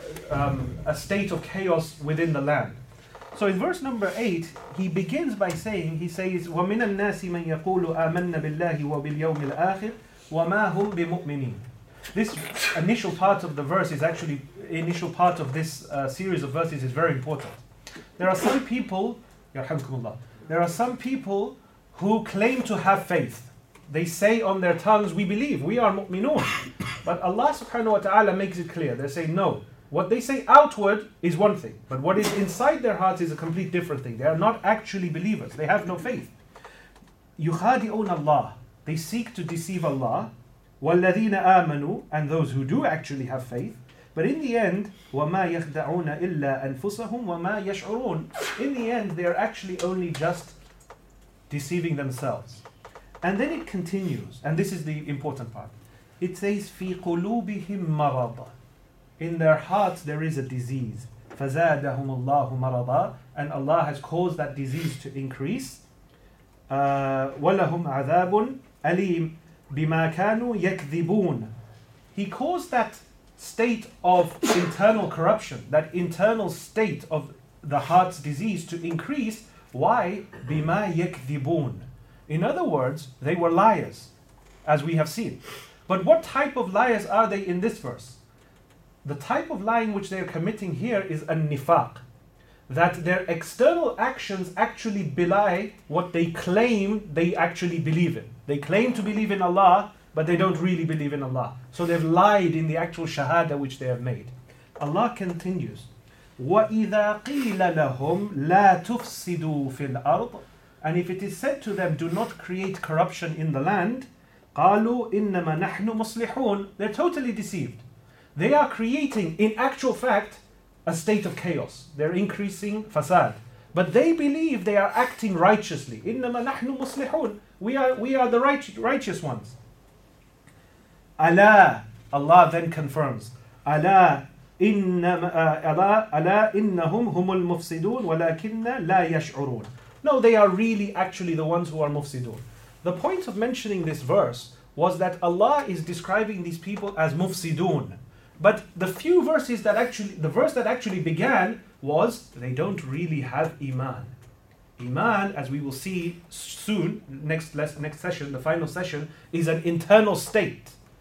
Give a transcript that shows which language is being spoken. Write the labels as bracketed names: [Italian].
[English] a state of chaos within the land. So in verse number 8, he begins by saying, he says, [Arabic] وَمِنَ النَّاسِ مَنْ يَقُولُ آمَنَّ بِاللَّهِ وَبِالْيَوْمِ الْآخِرِ وَمَا هُمْ بِمُؤْمِنِينَ. [English] This initial part of the verse is actually, initial part of this series of verses is very important. There are some people, yarhamkumullah, there are some people who claim to have faith. They say on their tongues, we believe, we are mu'minun. But Allah subhanahu wa ta'ala makes it clear. They say, no. What they say outward is one thing, but what is inside their hearts is a complete different thing. They are not actually believers. They have no faith. [Arabic] يُخَادِعُونَ اللَّهِ. [English] They seek to deceive Allah. [Arabic] وَالَّذِينَ آمَنُوا. [English] And those who do actually have faith. But in the end, [Arabic] وَمَا يَخْدَعُونَ إِلَّا أَنفُسَهُمْ وَمَا يَشْعُرُونَ. [English] In the end, they are actually only just deceiving themselves. And then it continues, and this is the important part. It says, [Arabic] فِي قُلُوبِهِمْ مَرَضًا. [English] In their hearts there is a disease. [Arabic] فَزَادَهُمُ اللَّهُ مَرَضًا. [English] And Allah has caused that disease to increase. [Arabic] وَلَهُمْ عَذَابٌ أَلِيمٌ بِمَا كَانُوا يَكْذِبُونَ. [English] He caused that state of internal corruption, that internal state of the heart's disease to increase. Why? [Arabic] بِمَا يَكْذِبُونَ. [English] In other words, they were liars, as we have seen. But what type of liars are they in this verse? The type of lying which they are committing here is a nifaq, that their external actions actually belie what they claim they actually believe in. They claim to believe in Allah, but they don't really believe in Allah. So they've lied in the actual shahada which they have made. Allah continues, [Arabic] وَإِذَا قِيلَ لَهُمْ لَا تُفْسِدُوا فِي الْأَرْضِ. [English] And if it is said to them, do not create corruption in the land, [Arabic] قَالُوا إِنَّمَا نَحْنُ مُصْلِحُونَ. [English] They're totally deceived. They are creating, in actual fact, a state of chaos. They're increasing fasad. But they believe they are acting righteously. [Arabic] إِنَّمَا نَحْنُ مُصْلِحُونَ. [English] We are the righteous ones. Allah then confirms, [Arabic] أَلَّا إِنَّهُمْ هُمُ الْمُفْسِدُونَ وَلَكِنَّ لَا يَشْعُرُونَ. [English] No, they are really actually the ones who are mufsidun. The point of mentioning this verse was that Allah is describing these people as mufsidun. But the verse that actually began was they don't really have iman. Iman, as we will see soon, next session, the final session, is an internal state.